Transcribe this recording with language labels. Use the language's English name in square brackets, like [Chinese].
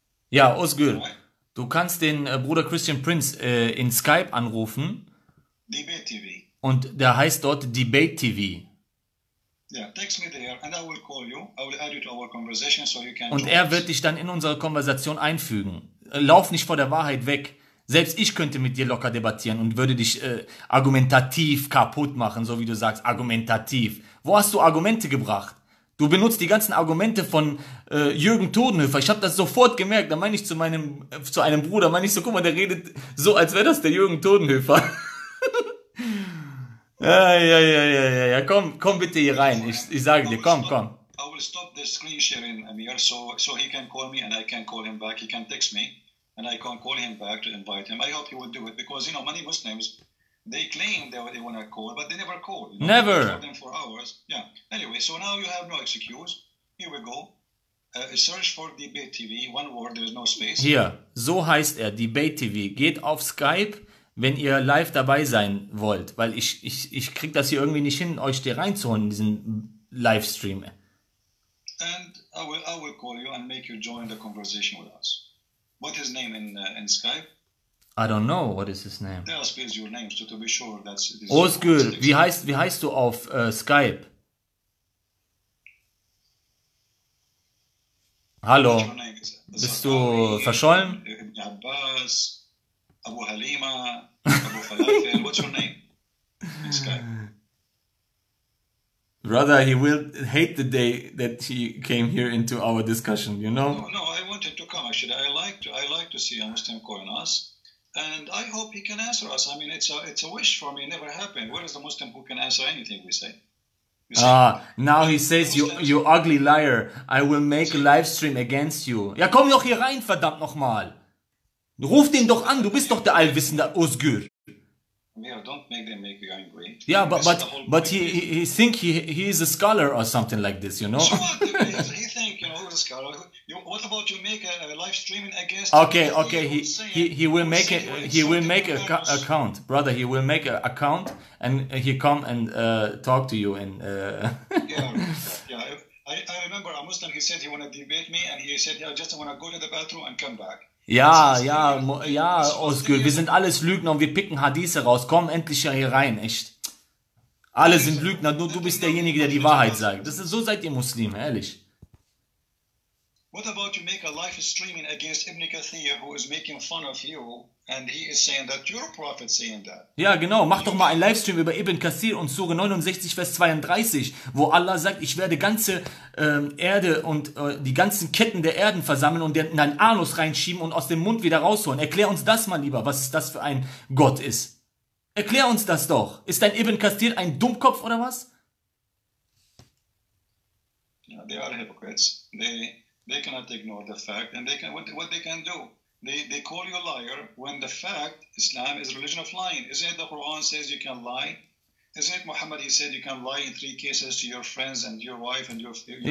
[German] Ja, Özgür, du kannst den Bruder Christian Prince in Skype anrufen. [English] Debate TV. [German] Und der heißt dort Debate TV. [English] Yeah, text me there and I will call you. I will add you to our conversation so you can. [German] Und er wird dich dann in unsere Konversation einfügen. Lauf nicht vor der Wahrheit weg. Selbst ich könnte mit dir locker debattieren und würde dich argumentativ kaputt machen, so wie du sagst, argumentativ. Wo hast du Argumente gebracht? Du benutzt die ganzen Argumente von Jürgen Todenhöfer. Ich habe das sofort gemerkt. Da meine ich zu einem Bruder, meine ich so, guck mal, der redet so, als wäre das der Jürgen Todenhöfer. Ja, komm bitte hier rein. Ich sage dir, komm. [English] I will stop the screen sharing, Amir, so he can call me and I can call him back. He can text me and I can call him back to invite him. I hope he will do it because, you know, many Muslims, they claim they want to call, but they never call. You know? Never. They call them for hours. Yeah. Anyway, so now you have no excuse. Here we go. Search for Debate TV. One word, there is no space. [German] Hier, so heißt er, Debate TV. Geht auf Skype. Wenn ihr live dabei sein wollt, weil ich krieg das hier irgendwie nicht hin, euch hier reinzuholen in diesen Livestream. [English] And I will call you and make you join the conversation with us. What is his name in Skype? I don't know what is his name. Tell us please your name so to be sure that's [German] it. Özgür, wie heißt du auf Skype? Hallo. Bist du verschollen? [English] Abbas. Abu Halima, Abu Falafel, what's your name? This guy. Brother, he will hate the day that he came here into our discussion, you know? No, I wanted to come, actually. I like to see a Muslim calling us. And I hope he can answer us. I mean, it's a wish for me, it never happened. Where is the Muslim who can answer anything we say? Now he says, you ugly liar, I will make a live stream against you. [German] Ja, komm doch hier rein, verdammt nochmal! Ruf den doch an, du bist doch der Allwissende Özgür. [English] Mayor, don't make them make you angry. Yeah, but he thinks he is a scholar or something like this, you know? So what? He's a scholar. What about you make a live streaming against... Okay, he will make an account. Brother, he will make an account and he come and talk to you and... I remember a Muslim, he said he want to debate me and he said, yeah, I just want to go to the bathroom and come back. [German] Ja, Özgür, wir sind alles Lügner und wir picken Hadithe raus. Komm endlich hier rein, echt. Alle sind Lügner, nur du bist derjenige, der die Wahrheit sagt. Das ist, so seid ihr Muslime, ehrlich. [English] What about you make a live streaming against Ibn Kathir, who is making fun of you, and he is saying that your prophet is saying that? [German] Ja, genau, mach doch mal ein Livestream über Ibn Kathir und Sure 69, Vers 32, wo Allah sagt, ich werde ganze Erde und die ganzen Ketten der Erden versammeln und den in deinen Anus reinschieben und aus dem Mund wieder rausholen. Erklär uns das mal lieber, was das für ein Gott ist. Erklär uns das doch. Ist dein Ibn Kathir ein Dummkopf oder was? [English] Ja, they are hypocrites. They cannot ignore the fact, and they can what they can do. They call you a liar when the fact Islam is a religion of lying. Isn't it the Quran says you can lie? Isn't it Muhammad? He said you can lie in three cases to your friends and your wife and your family.